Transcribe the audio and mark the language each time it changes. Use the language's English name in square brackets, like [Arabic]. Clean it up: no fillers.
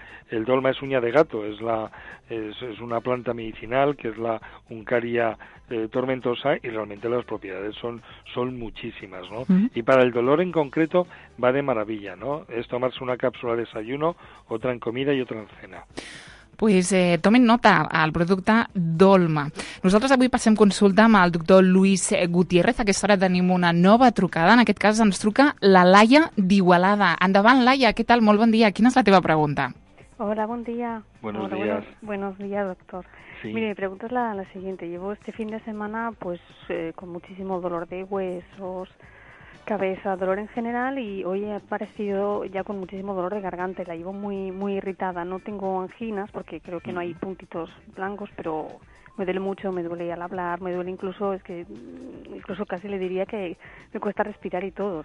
[Spanish] El Dolma es uña de gato, es una planta medicinal que es la Uncaria tormentosa, y realmente las propiedades son muchísimas, ¿no? Y para el dolor en concreto va de maravilla, ¿no? Es tomarse una cápsula de desayuno, otra en comida y otra en cena. Pues tomen nota al producte Dolma. [Catalan] Nosaltres avui passem consulta amb el doctor Luis Gutiérrez. Aquesta hora tenim una nova trucada. En aquest cas ens truca la Laia d'Igualada. Endavant, Laia, què tal? Molt bon dia. Quina és la teva pregunta? Hola, bon dia. [Spanish] Buenos días. Buenos días, doctor. Sí. Mire, mi pregunta és la siguiente. Llevo este fin de semana pues con muchísimo dolor de huesos, cabeza, dolor en general, y hoy he aparecido ya con muchísimo dolor de garganta. La llevo muy muy irritada. No tengo anginas porque creo que no hay puntitos blancos, pero me duele mucho, me duele al hablar, me duele incluso, es que incluso casi le diría que me cuesta respirar y todo.